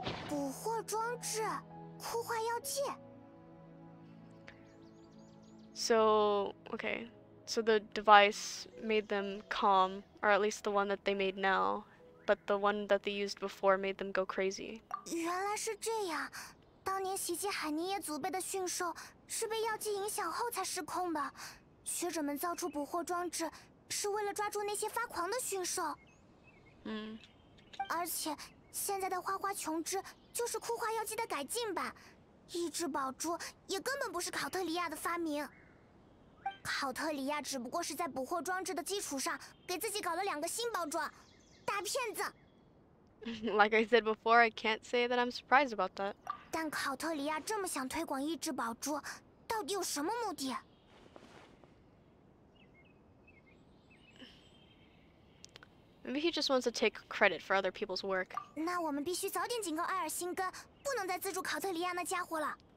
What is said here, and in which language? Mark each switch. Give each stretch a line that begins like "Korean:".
Chinese: 捕获装置，枯化药剂。
English: So, okay. So the device made them calm, or at least the one that they made now, but the one that they used before made them go crazy.
Chinese: 原来是这样。当年袭击海尼耶祖辈的驯兽是被药剂影响后才失控的，学者们造出捕获装置是为了抓住那些发狂的驯兽。嗯，而且现在的花花琼枝就是枯化药剂的改进版，一只宝珠也根本不是考特里亚的发明，考特里亚只不过是在捕获装置的基础上给自己搞了两个新包装，大骗子。
English: Like I said before, I can't say that I'm surprised about that.
Chinese: 但考特里亚这么想推广抑制宝珠，到底有什么目的？
English: Maybe he just wants to take credit for other people's work.
Chinese: 那我们必须早点警告艾尔辛根，不能再资助考特里亚那家伙了。